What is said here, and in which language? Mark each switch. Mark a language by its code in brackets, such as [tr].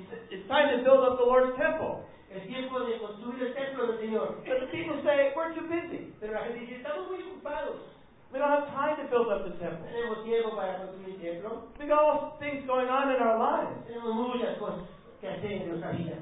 [en] it's time to build up the Lord's temple. [es] Es tiempo de construir el templo del Señor. [en] But the people say, we're too busy. [es] Pero la gente dice, estamos muy ocupados. [en] We don't have time to build up the temple. [es] Tenemos tiempo para construir el templo. [en] We got all things going on in our lives. [es] Tenemos muchas cosas que hacer en nuestra vida.